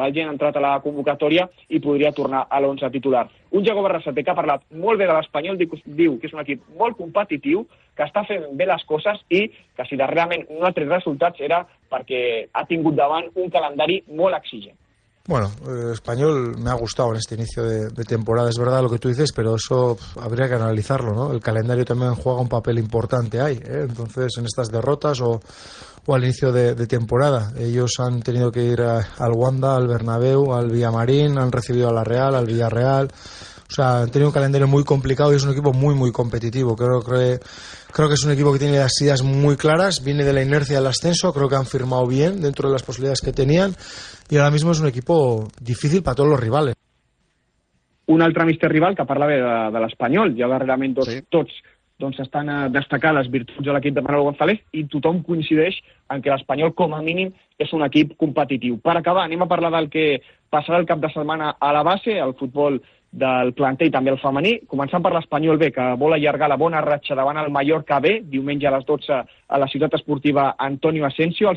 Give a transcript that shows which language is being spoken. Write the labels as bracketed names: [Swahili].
[Catalan] Valen ha entrat a la convocatòria i podria tornar a l'11 titular. Un Iago Barrasate que ha parlat molt bé de l'Espanyol, diu que és un equip molt competitiu, que està fent bé les coses i que si darrerament no ha tret resultats era perquè ha tingut davant un calendari molt exigent. [Spanish] Bueno, Español me ha gustado en este inicio de temporada, es verdad lo que tú dices, pero eso habría que analizarlo, ¿no? El calendario también juega un papel importante ahí, ¿eh? Entonces, en estas derrotas o al inicio de temporada, ellos han tenido que ir al Wanda, al Bernabéu, al Villamarín, han recibido a la Real, al Villarreal. O sea, han tenido un calendario muy complicado y es un equipo muy, muy competitivo. Creo que es un equipo que tiene las ideas muy claras, viene de la inercia del ascenso, creo que han firmado bien dentro de las posibilidades que tenían y ahora mismo es un equipo difícil para todos los rivales. [Catalan] Un altre mister rival que parla bé de l'Espanyol, ja darrerament dos, sí. Tots doncs estan destacant les virtuts de l'equip de Manolo González i tothom coincideix en que l'Espanyol, com a mínim, és un equip competitiu. Per acabar, anem a parlar del que passarà el cap de setmana a la base, al futbol del planter i també el femení, començant per l'Espanyol B, que vol allargar la bona ratxa davant el Mallorca B, diumenge a les 12 a la ciutat esportiva Antonio Asensio.